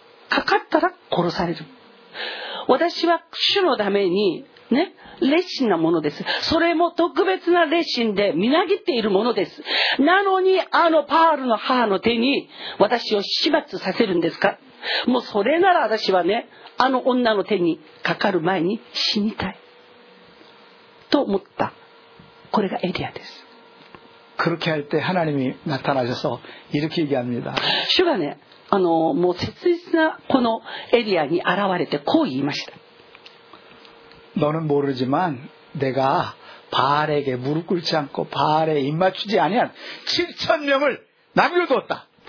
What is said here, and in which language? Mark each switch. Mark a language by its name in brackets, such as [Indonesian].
[Japanese] うかかったら殺される私は主のためにね熱心なものですそれも特別な熱心でみなぎっているものですなのにあのパールの母の手に私を始末させるんですかもうそれなら私はねあの女の手にかかる前に死にたいと思ったこれがエリアです [Korean] 그렇게할때하나님이나타나셔서이렇게얘기합니다 [Japanese] 主がね、もう切実なこのエリアに現れてこう言いました。 [Korean] 너는모르지만내가바알에게무릎꿇지않고바알에입맞추지아니한7천명을남겨두었다